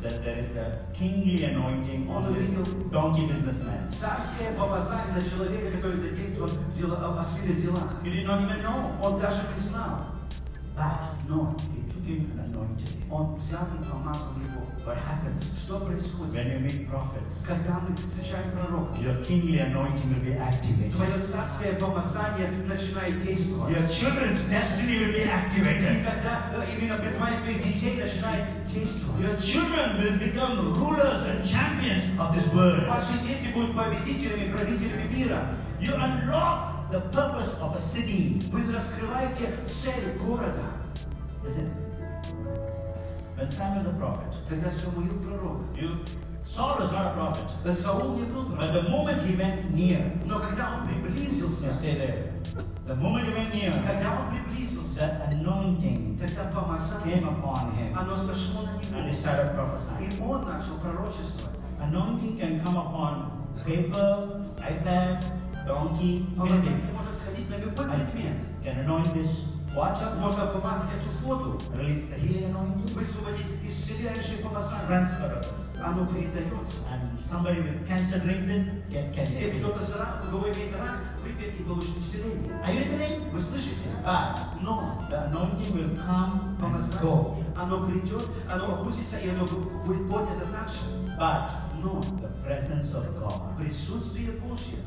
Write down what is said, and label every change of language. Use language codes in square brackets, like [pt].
[en] that there is a kingly anointing on this donkey businessman. [ru] Царское помазание на человека, который задействован в последних делах. [en] He did not even know. [ru] Он даже не знал. [en] But no, he took him and anointed him. [ru] Он взял и помазал его. [en] What happens? [ru] Что происходит? [en] When you meet prophets, [ru] когда мы встречаем пророков, [en] your kingly anointing will be activated. [ru] Твое царское помазание начинает действовать. [en] Your children's destiny will be activated. [ru] И тогда именно призвание твоих детей начинает действовать. [en] Your children will become rulers and champions of this world. [ru] Ваши дети будут победителями, правителями мира. [en] You unlock the purpose of a city. [ru] Вы раскрываете цель города. [en] Listen. When Samuel the prophet, [ru] когда Самуил пророк, [en] Saul was not a prophet. [ru] But Saul не был пророк. [en] But the moment he went near, [ru] но когда он приблизился, [en] stay there. The moment he went near, [ru] когда он приблизился, [en] the anointing, [ru] тогда помазание, [en] came upon him. [ru] Оно сошло на него. [en] And he started prophesying. [ru] И он начал пророчество. [en] Anointing can come upon paper, iPad, donkey, anything. [ru] Может сходить на любой предмет. [en] Can anoint this. Watch out. [ru] Можно помазать эту фото. [en] Release the healing anointing. [ru] Высвободить исцеляющее помазание. [en] Transfer. [ru] Оно передается. [en] And somebody with cancer drinks it, get cancer. [ru] Если кто-то с раком, у кого имеет рак, выпьет и получит исцеление. [en] Are you listening? [ru] Вы слышите? [en] But no. The anointing will come [ru] помазание. [en] And go. [ru] Оно придет, оно опустится и оно будет поднято дальше. [en] But no. The presence of God. [ru] Присутствие Божье.